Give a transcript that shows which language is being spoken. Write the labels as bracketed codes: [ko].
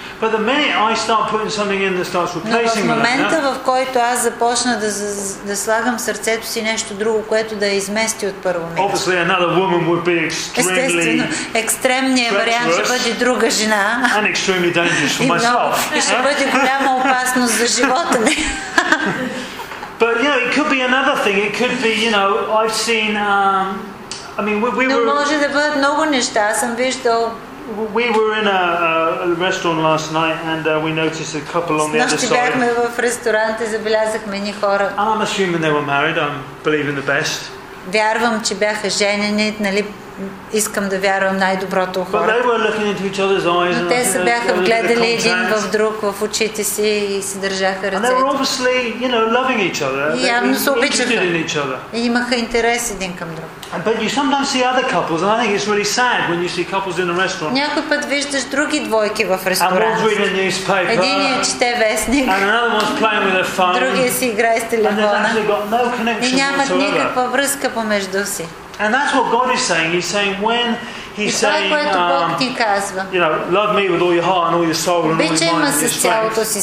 [en] But the minute I start putting something in that starts replacing [bg] момента, в който аз започна да слагам сърцето си нещо друго, което да измести от първо място. [en] Obviously another woman would be extremely. [bg] Екстремният вариант ще бъде друга жена. [en] And extremely dangerous for myself. [bg] И ще бъде голяма опасност за живота ми. [en] But you know, it could be another thing. It could be, you know, I've seen [bg] Но може да бъдат много неща. Аз съм виждал. [en] We were in a restaurant last night and we noticed a couple on the other side. [bg] Бяхме в ресторант и забелязахме ни хора. [en] And I'm assuming they were married. I'm believing the best. [bg] Вярвам, че бяха женени, нали? Искам да вярвам най-доброто у хората. [en] But they were looking into each other's eyes. [bg] Те се бяха гледали един в друг, в очите си и се държаха ръцете. [en] And they were obviously, you know, loving each other. [bg] Явно се обичаха. И имаха интерес един към друг. [en] But you sometimes see other couples, and I think it's really sad when you see couples in a restaurant. [bg] Някой път виждаш други двойки в ресторант. [en] And one's reading a newspaper. [bg] Единият чете вестник. [en] And another one's playing with their phone. [bg] Другият си играе с телефона. [en] And they've actually got no connection. [bg] И нямат никаква връзка помежду си. [en] And that's what God is saying. He's saying when He's saying, you know, love me with all your heart and all your soul and all your mind and your strength.